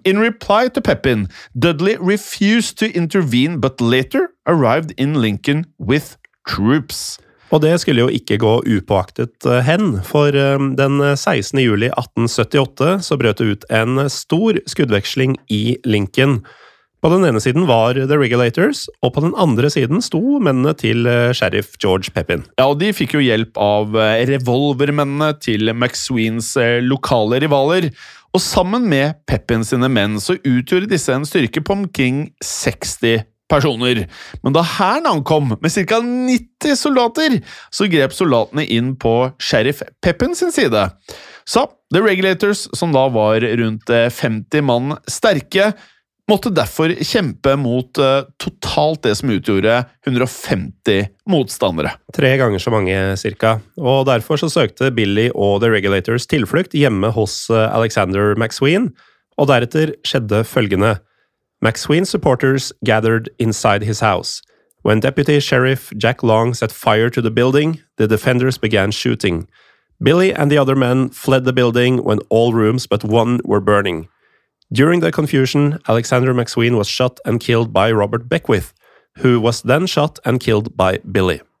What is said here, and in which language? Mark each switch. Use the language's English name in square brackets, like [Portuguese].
[English] In reply to Pepin, Dudley refused to intervene, but later arrived in Lincoln with troops. [Norwegian] Og det skulle jo ikke gå upåaktet hen, for den 16. juli 1878 så brøt det ut en stor skuddveksling i Lincoln. På den ene siden var The Regulators, og på den andre siden sto mennene til Sheriff George Pepin. Ja, og de fikk jo hjelp av revolvermennene til McSweens lokale rivaler. Og sammen med Pepin sine menn så utgjorde disse en styrke på omkring 60 personer. Men da hæren ankom med ca. 90 soldater, så grep soldatene inn på Sheriff Pepin sin side. Så The Regulators, som da var rundt 50 mann sterke, måtte derfor kjempe mot totalt det som utgjorde 150 motstandere. Tre ganger så mange, cirka. Og derfor så søkte Billy og The Regulators tilflukt hjemme hos Alexander McSween, og deretter skjedde følgende. [English] McSween's supporters gathered inside his house. When Deputy Sheriff Jack Long set fire to the building, the defenders began shooting. Billy and the other men fled the building when all rooms but one were burning. During the confusion, Alexander McSween was shot and killed by Robert Beckwith, who was then shot and killed by Billy.